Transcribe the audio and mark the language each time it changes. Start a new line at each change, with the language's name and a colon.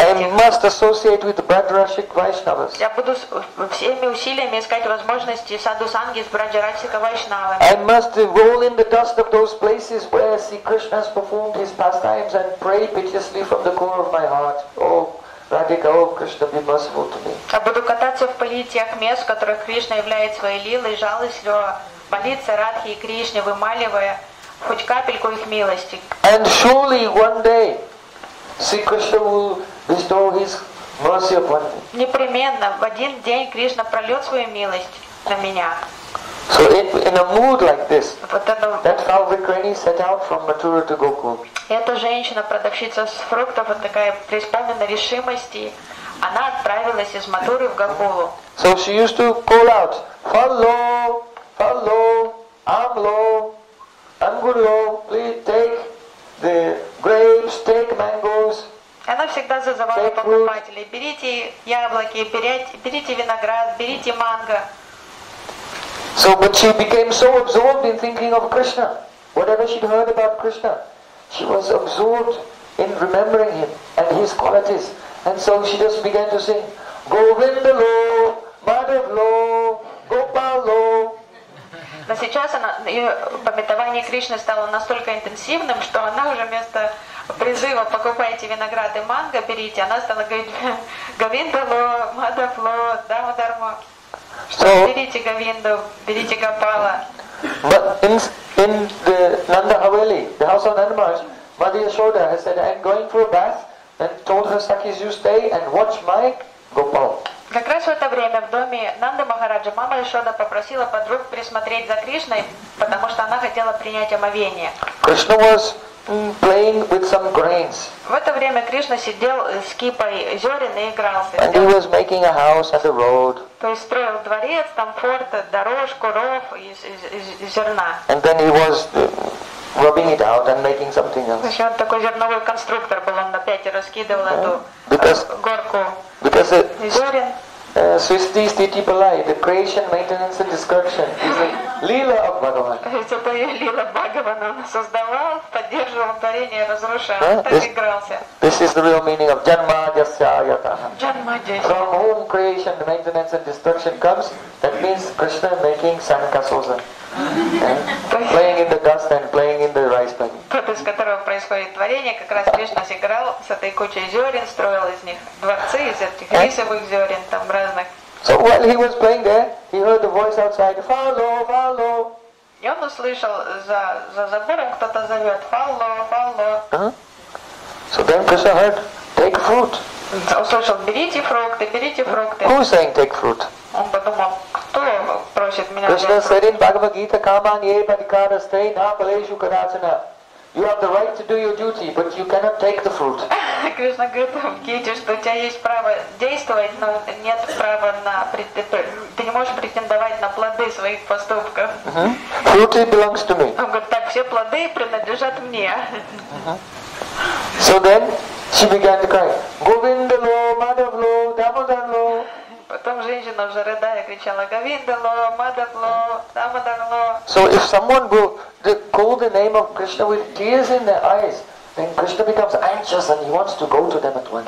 English: I must associate with Браджарашик Вайшнавас.
Russian: Я буду всеми усилиями искать возможности саду санги с Браджарашика Вайшнавами.
English: I must roll in the dust of those places where Sri Krishna has performed his pastimes and pray piteously from the core of my heart. Oh, Radhika, oh Krishna, be merciful to me.
Russian: Я буду кататься в поле тех мест, в которых Кришна являет свои лилы, и жалостливо молиться Радхе и Кришне, вымаливая хоть капельку их милости.
English: And surely one day Sri Krishna will bestow his mercy upon me.
Russian: Непременно в один день Кришна прольет свою милость на меня.
English: So in a mood like this, that Frau Vikrani set out from Mathura to Gokul.
Russian: Эта женщина, продавщица фруктов, вот такая преисполненная решимости, она отправилась из Матуры в Гокулу.
English: So she used to call out, "Follow, follow, Amlo." Ангуло, please take the grapes, take mangoes.
Russian: Она всегда зазывала покупателей: берите яблоки, берите виноград, берите манго.
English: So, but she became so absorbed in thinking of Krishna. Whatever she'd heard about Krishna, she was absorbed in remembering him and his qualities. And so she just began to sing, Govindalo, Madhavlo, Gopalo.
Russian: Но сейчас она, ее памятование Кришны стало настолько интенсивным, что она уже вместо призыва «покупайте виноград и манго, берите», она стала говорить «Говиндало, Мадафло, Дамадармо».
English: So,
Russian: «Берите Говинду, берите Гопала».
English: But in the Nanda Haveli, the house of Nanda Maharaj, Madhya Yashoda has said, I'm going for a bath, and told her Sakis, you stay and watch my Gopal.
Russian: Как раз в это время в доме Нанды Махараджа мама Яшода попросила подруг присмотреть за Кришной, потому что она хотела принять омовение.
English: Krishna was playing with some grains.
Russian: В это время Кришна сидел с кипой зерен и игрался.
English: And he was making a house at the road.
Russian: То есть строил дворец, там форт, дорожку, ров из зерна.
English: And then he was rubbing it out and making something else.
Russian: Еще он такой зерновой конструктор был, он опять раскидывал эту горку.
English: Because Swisti Sthiti Palai, the creation, maintenance and destruction is a lila of Bhagavan.
Russian: Это лила Бхагавана. Он создавал, поддерживал творение, разрушал. Так игрался.
English: This is the real meaning of Janma Jasya Ayata.
Sanskrit: Janma Jasya.
English: From whom creation, maintenance and destruction comes, that means Krishna making Sankasosa. Playing in the dust and playing in the rice paddy.
Russian: Тот, из которого происходит творение, как раз Кришна сыграл с этой кучей зерен, строил из них дворцы, из этих рисовых зерен, там разных.
English: So while he was playing there, he heard the voice outside, follow, follow.
Russian: И он услышал за забором кто-то зовет,
English: follow, follow. So then Krishna heard, take fruit.
Russian: Услышал, берите фрукты, берите фрукты.
English: Who is saying take fruit?
Russian: Он подумал, кто просит меня?
English: Krishna said in Bhagavad Gita,
Sanskrit: kaman ye padikara stay na paleshu kadachana.
English: You have the right to do your duty, but you cannot take the fruit.
Russian: Krishna говорит в Гите, что у тебя есть право действовать, но нет права на ты не можешь претендовать на плоды своих поступков.
English: Fruit belongs to me.
Russian: Он говорит, так все плоды принадлежат мне.
English: So then she began to cry, Govinda lo, Madhav lo, Damodar lo.
Russian: Потом женщина уже рыдая кричала, Govinda lo, Madhav lo, Damodar lo.
English: So if someone go to call the name of Krishna with tears in their eyes, then Krishna becomes anxious and he wants to go to them at once.